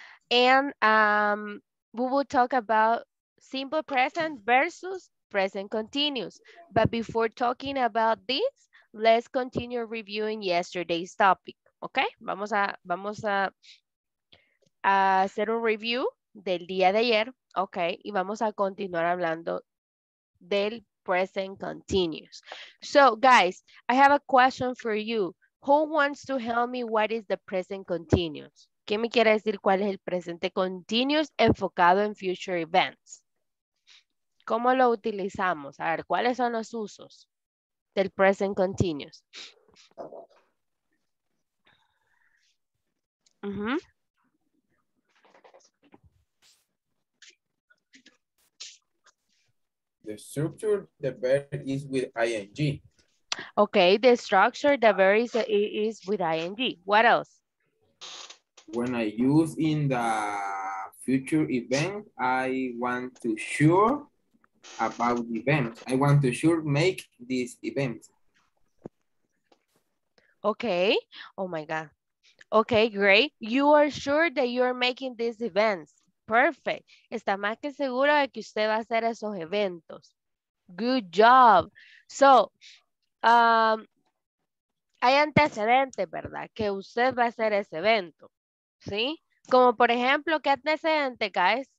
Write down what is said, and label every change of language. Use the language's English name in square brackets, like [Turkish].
[English] And we will talk about simple present versus present continuous. But before talking about this, let's continue reviewing yesterday's topic. Okay? [Spanish] Vamos a hacer un review del día de ayer. Okay? Y vamos a continuar hablando del present continuous. [English] So, guys, I have a question for you. Who wants to help me what is the present continuous? [Spanish] ¿Qué me quiere decir cuál es el presente continuous enfocado en future events? ¿Cómo lo utilizamos? A ver, ¿cuáles son los usos del present continuous? [English] The structure, the verb is with ing. Okay, the structure, the verb is with ing. What else? When I use in the future event, I want to sure about the event. I want to sure make this event. Okay. Oh my God. Okay, great. You are sure that you are making these events. Perfect. [Spanish] Está más que seguro de que usted va a hacer esos eventos. [English] Good job. [Spanish] So, hay antecedentes, ¿verdad? Que usted va a hacer ese evento. ¿Sí? Como por ejemplo, ¿qué antecedente, guys?